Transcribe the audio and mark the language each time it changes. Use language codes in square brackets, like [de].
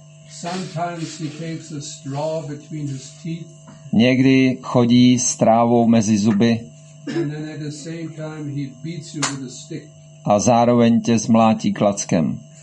[en] Sometimes he takes a straw between his teeth. [cs] Někdy chodí s trávou mezi zuby. [en] And then at the same time he beats you with a stick. [cs] A zároveň tě zmlátí klackem.